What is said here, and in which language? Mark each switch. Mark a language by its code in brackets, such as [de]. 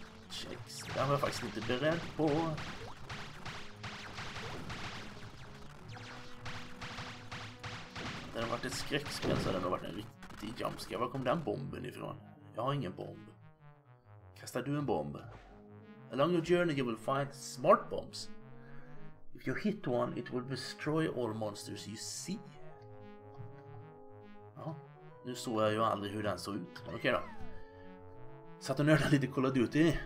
[sv] Checks. Det var jag faktiskt inte beredd på. Det har varit ett skräckspel så det har varit en riktig jumpscare. Var kom den bomben ifrån? Jag har ingen bomb. Kastar du en bomb? [en] Along your journey you will find smart bombs. If you hit one, it will destroy all monsters you see. [sv] Ja, nu såg jag ju aldrig hur den såg ut. Okej då. Satt och nörda lite Call of Duty.